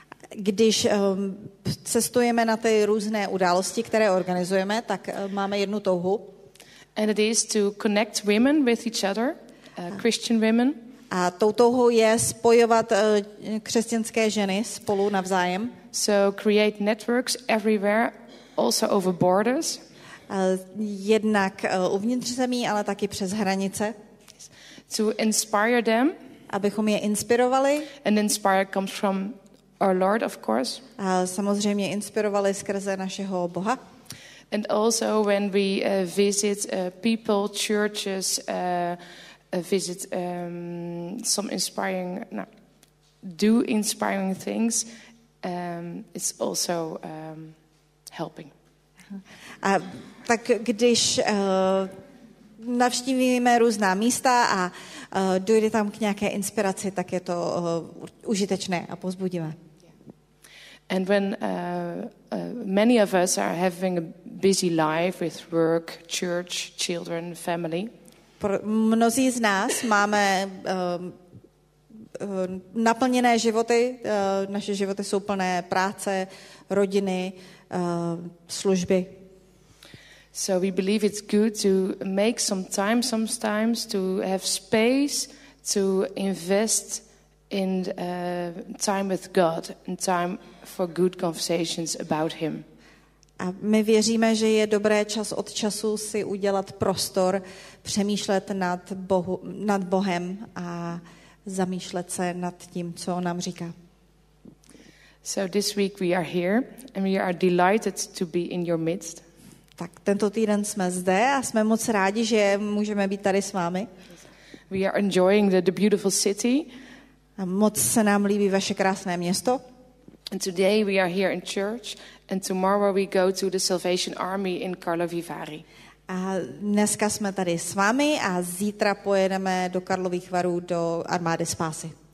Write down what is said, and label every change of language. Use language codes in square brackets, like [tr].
[cs] Když cestujeme na ty různé události, které organizujeme, tak máme jednu touhu. [en] And it is to connect women with each other, Christian women. [cs] A tou touhou je spojovat křesťanské ženy spolu navzájem. [en] So create networks everywhere, also over borders. [cs] Jednak uvnitř zemí, ale taky přes hranice. [en] To inspire them. [cs] Abychom je inspirovali. [en] And inspire comes from our Lord, of course. [cs] A samozřejmě inspirovali skrze našeho Boha. [en] And also when we visit people, churches, visit some inspiring, no, do inspiring things, it's also helping. [cs] A tak když navštívíme různá místa a dojde tam k nějaké inspiraci, tak je to užitečné a povzbudivé. [en] And when many of us are having a busy life with work, church, children, family. [cs] Mnozí z nás máme naplněné životy, naše životy jsou plné práce, rodiny, služby. [en] So we believe it's good to make some time sometimes to have space to invest in time with God and time for good conversations about him. [cs] A my věříme, že je dobré čas od času si udělat prostor, přemýšlet nad Bohem a zamýšlet se nad tím, co on nám říká. [en] So this week we are here and we are delighted to be in your midst. [cs] Tak tento týden jsme zde a jsme moc rádi, že můžeme být tady s vámi. [en] We are enjoying the beautiful city. [cs] A moc se nám líbí vaše krásné město. [en] And today we are here in church and tomorrow we go to the Salvation Army in Karlo Vivari. [cs] A dneska jsme tady s vámi a zítra pojedeme do Karlových Varů do armády spásy.